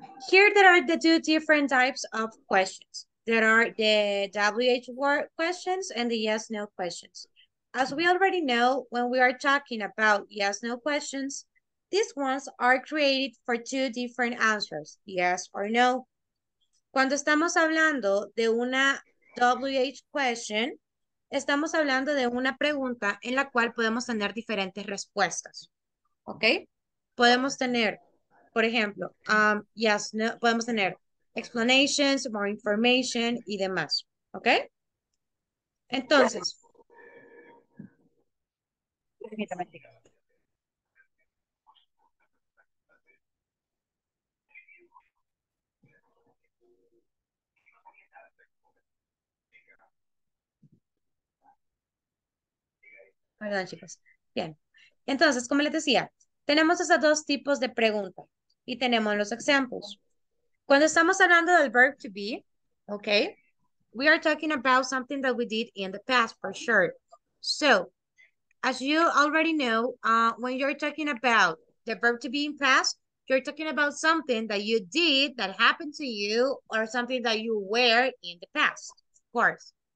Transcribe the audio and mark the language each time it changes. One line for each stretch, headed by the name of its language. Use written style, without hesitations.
English: Here there are the two different types of questions. There are the WH word questions and the yes no questions. As we already know, when we are talking about yes no questions, these ones are created for two different answers, yes or no.
Spanish: Cuando estamos hablando de una WH question, estamos hablando de una pregunta en la cual podemos tener diferentes respuestas. ¿Ok? Podemos tener, por ejemplo, yes, no, podemos tener
English: explanations, more information
Spanish: y demás. ¿Ok? Entonces, Perdón, chicos. Bien. Entonces, como les decía, tenemos esos dos tipos de preguntas y tenemos los ejemplos. Cuando estamos hablando del
English: verb to be, ok, we are talking about something that we did in the past for sure. So, as you already know, when you're talking about the verb to be in past, you're talking about something that you did that happened to you or something that you were in the past, of course.